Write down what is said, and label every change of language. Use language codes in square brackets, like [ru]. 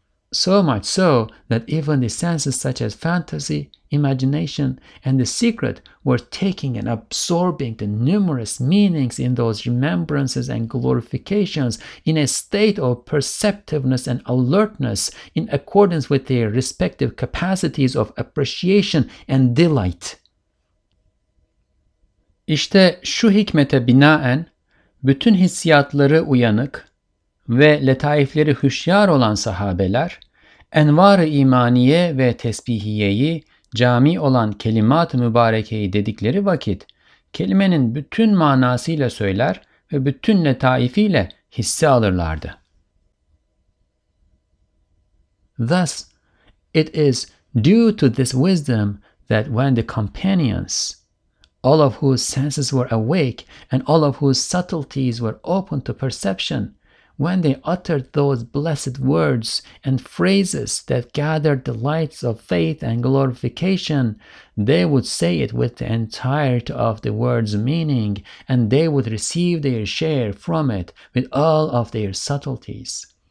[en] So much so that even the senses such as fantasy, imagination, and the secret were taking and absorbing the numerous meanings in those remembrances and glorifications in a state of perceptiveness and alertness in accordance with their respective capacities of appreciation and delight. [tr] İşte şu hikmete binaen, bütün hissiyatları uyanık ve letaifleri hüşyar olan sahabeler, envar-ı imaniye ve tesbihiyeyi, cami olan kelimat-ı mübarekeyi dedikleri vakit, kelimenin bütün manasıyla söyler ve bütün letaifiyle hisse alırlardı. [en] Thus, it is due to this wisdom that when the companions, all of whose senses were awake and all of whose subtleties were open to perception, when they uttered those blessed words and phrases that gathered the lights of faith and glorification, they would say it with the entirety of the word's meaning, and they would receive their share from it with all of their subtleties.